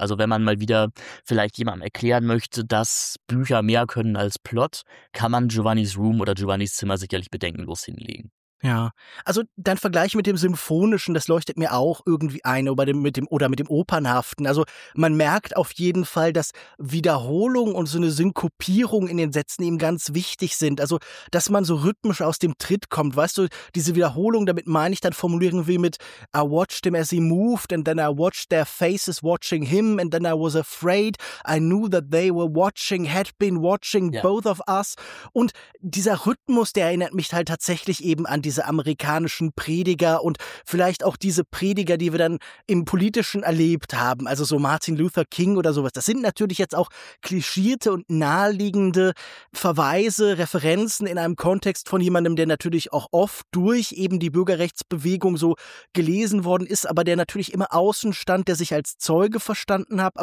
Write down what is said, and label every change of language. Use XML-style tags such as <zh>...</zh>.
<de>Also wenn man mal wieder vielleicht jemandem erklären möchte, dass Bücher mehr können als Plot, kann man Giovanni's Room oder Giovanni's Zimmer sicherlich bedenkenlos hinlegen. Ja, also dein Vergleich mit dem Symphonischen, das leuchtet mir auch irgendwie ein mit dem Opernhaften. Also man merkt auf jeden Fall, dass Wiederholung und so eine Synkopierung in den Sätzen eben ganz wichtig sind. Also dass man so rhythmisch aus dem Tritt kommt, weißt du, diese Wiederholung, damit meine ich dann formulieren wie mit</de> <en>I watched him as he moved and then I watched their faces watching him and then I was afraid, I knew that they were watching, had been watching both of us.</en> <de>Und dieser Rhythmus, der erinnert mich halt tatsächlich eben an diese amerikanischen Prediger und vielleicht auch diese Prediger, die wir dann im Politischen erlebt haben, also so Martin Luther King oder sowas. Das sind natürlich jetzt auch klischierte und naheliegende Verweise, Referenzen in einem Kontext von jemandem, der natürlich auch oft durch eben die Bürgerrechtsbewegung so gelesen worden ist, aber der natürlich immer außen stand, der sich als Zeuge verstanden hat.</de>